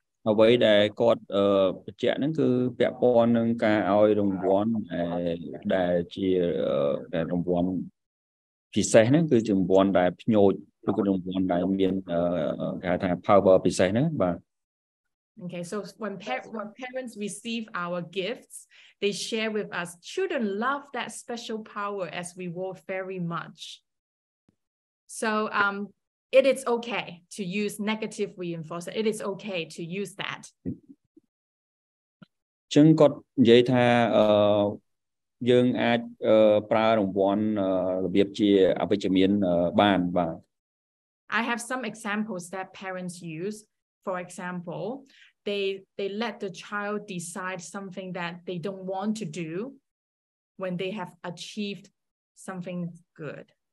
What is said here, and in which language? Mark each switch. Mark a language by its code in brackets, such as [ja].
[km] អ្វីដែលគាត់បញ្ជាក់ហ្នឹងគឺពាក់ព័ន្ធនឹងការឲ្យរង្វាន់ដែលជារង្វាន់ពិសេសហ្នឹងគឺជារង្វាន់ដែលភ្ញោចឬក៏រង្វាន់ដែលមានគេហៅថា power ពិសេសហ្នឹងបា [en] ទ Okay so when parents receive our gifts they share with us children love that special power as we reward very much So It is okay to use negative reinforcement. It is okay to use that. [km] ជឹងគាត់និយាយថាយើងអាចប្រើរង្វាន់របៀបជាអវិជ្ជមានបានបាទ [en] I have some examples that parents use. For example, they let the child decide something that they don't want to do when they have achieved something good.